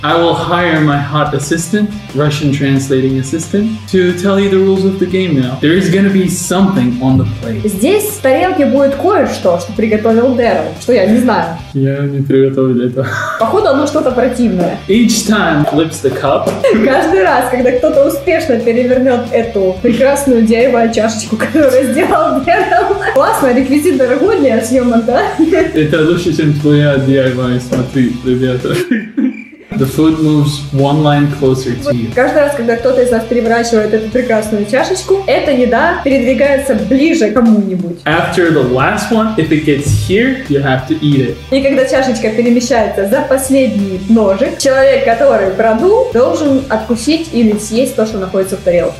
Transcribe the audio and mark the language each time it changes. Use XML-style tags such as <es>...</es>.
<en>Okay. I will hire my hot assistant, Russian translating assistant, to tell you the rules of the game now. There is gonna be something on the plate.</en> <ru>Здесь в тарелке будет кое-что, что приготовил Дэрил, что я не знаю. Я не приготовил это. Походу, оно что-то противное.</ru> <en>Each time flips the cup.</en> <ru>Каждый раз, когда кто-то успешно перевернет эту прекрасную дерево чашечку, которую сделал Дэрил. Классно, реквизит дорогой для съемок, да? Это лучше, чем твоя DIY, смотри, ребята.</ru> <en>The food moves one line closer to you.</en> <ru>Каждый раз, когда кто-то из нас переворачивает эту прекрасную чашечку, эта еда передвигается ближе к кому-нибудь.</ru> <en>After the last one, if it gets here, you have to eat it.</en> <ru>И когда чашечка перемещается за последний ножик, человек, который продул, должен откусить или съесть то, что находится в тарелке.</ru>